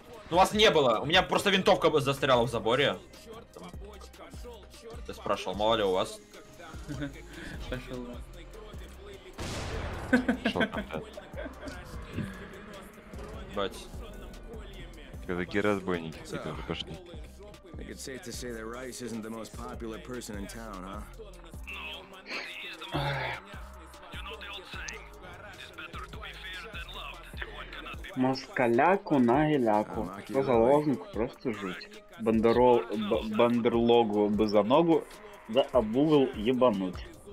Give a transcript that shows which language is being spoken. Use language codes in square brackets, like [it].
[ru] Ну вас не было, у меня просто винтовка застряла в заборе. Ты спрашивал, мало ли у вас? Пошел. Бать. Какие разбойники, типа, уже пошли. [en] I could say to say that Rice isn't the most popular person in town, huh? No, but he is the most famous. You know the old saying, it is better to be feared than loved. [ru] Москаляку нагеляку. Что за лозунг? Просто жуть. Бандерлогу бы за ногу, да обувил ебануть.